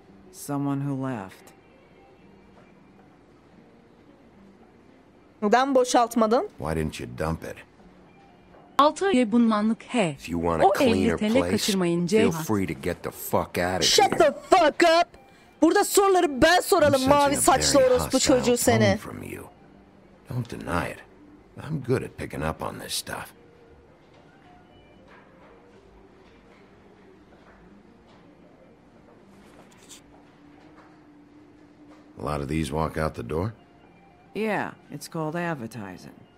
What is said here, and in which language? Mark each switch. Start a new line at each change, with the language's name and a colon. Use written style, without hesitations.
English: Someone who left.
Turkish: Neden boşaltmadın?
English: Why didn't you dump it?
Turkish: 6 ay bunmanlık he.
English: If you want a cleaner place, feel free to get the fuck out of here. Shut the fuck up!
Turkish: Burada soruları ben soralım, mavi saçlı orospu çocuğu seni.
English: Don't deny it. I'm good at picking up on this stuff. A lot of these walk out the door? Yeah, it's called advertising.